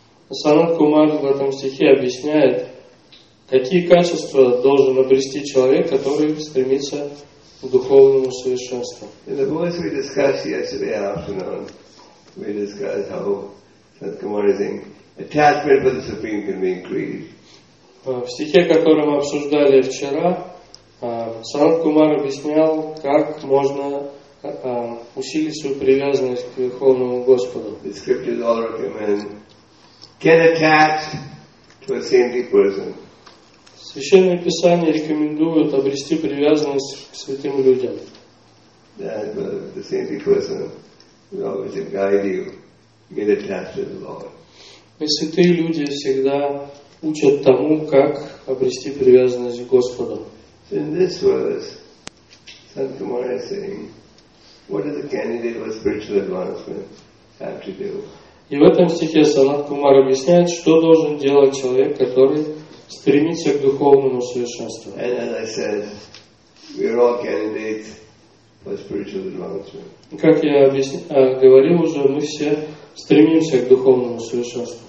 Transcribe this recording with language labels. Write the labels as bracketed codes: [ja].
[ru] Санат Кумар в этом стихе объясняет, какие качества должен обрести человек, который стремится к духовному совершенству. [en] In the books we discussed yesterday afternoon, we discussed how Санат Кумар is saying attachment for the Supreme can be increased. [ru] В стихе, который мы обсуждали вчера, Санат Кумар объяснял, как можно усилить свою привязанность к Верховному Господу. [en] The scriptures all recommend get attached to a saintly person. [ru] Священное Писание рекомендует обрести привязанность к святым людям. [en] That the saintly person will always guide you, get attached to the Lord. [ru] И святые люди всегда учат тому, как обрести привязанность к Господу. [en] In this verse, Sant Kumar is saying, what does a candidate for spiritual advancement have to do? [ru] И в этом стихе Санат Кумар объясняет, что должен делать человек, который стремится к духовному совершенству. [en] And as I said, we are all candidates for spiritual advancement. [ru] Как я говорил уже, мы все стремимся к духовному совершенству.